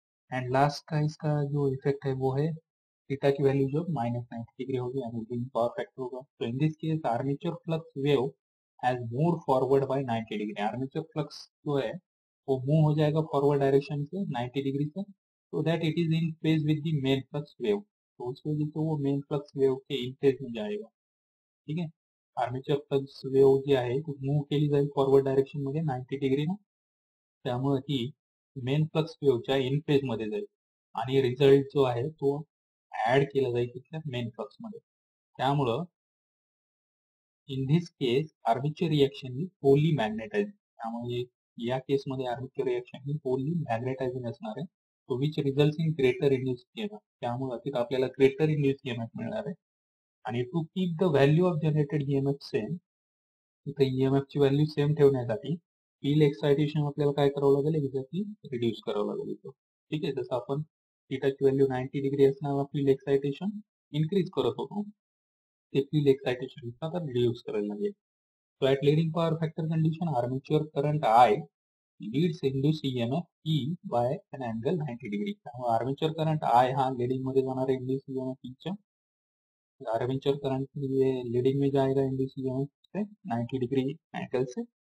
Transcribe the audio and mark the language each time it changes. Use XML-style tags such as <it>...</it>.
<hi>And last का इसका जो इफेक्ट है वो है थीटा की वैल्यू जो -90 डिग्री होगी, यानी विंड पावर फैक्टर होगा,</hi> <en>तो in this case armature flux wave has move forward by 90 degree,</en> <hi>armature flux जो है वो मूव हो जाएगा फॉरवर्ड डायरेक्शन से 90 डिग्री से,</hi> <en>so that it is in phase with the main flux wave,</en> <hi>तो उस वजह से वो मेन फ्लक्स वेव के इन फेज में जाएगा।</hi> <mr>ठीक है, आर्मेचर फ्लक्स वेव जी आहे मूव केली जाईल फॉरवर्ड डायरेक्शन मध्ये 90 डिग्री ना, त्यामुळे ही मेन फ्लक्स वेवच्या इन फेज मध्ये जाईल आणि रिझल्ट जो आहे तो ऍड केला जाईल तिथल्या मेन फ्लक्स मध्ये, त्यामुळं in this case armature reaction ही फुली मॅग्नेटाइज, त्यामुळे या केस मध्ये आर्मेचर रिएक्शन ही फुली मॅग्नेटाइजिंग असणार आहे, तो</mr> <en>which result in greater induce EMF,</en> <mr>त्यामुळे तिथे आपल्याला ग्रेटर इंड्यूस ईएमएफ मिळणार आहे, आणि</mr> <en>to keep the value of generated EMF same,</en> <mr>तिथे ईएमएफ ची व्हॅल्यू सेम ठेवण्यासाठी फील्ड एक्साइटेशन आपल्याला काय करावं लागेल, एक्झॅक्टली रिड्यूस करावं लागेल इथं. ठीक आहे, जसं आपण थीटाची व्हॅल्यू 90 डिग्री असणारा फील्ड एक्साइटेशन इन्क्रीज करत होतो, ते फील्ड एक्साइटेशन आता रिड्यूस करायला लागेल.</mr> <en>So at leading power factor condition armature current I leads induce EMF E by an angle 90 degree.</en> <mr>त्यामुळे</mr> <hi>आर्मेचर करंट आय हा लीडिंग मध्ये जाणार आहे induce EMF ईच्या, armature current leading में जाएगा इंड्यूस ईएमएफ से 90 डिग्री एंगल से.</hi>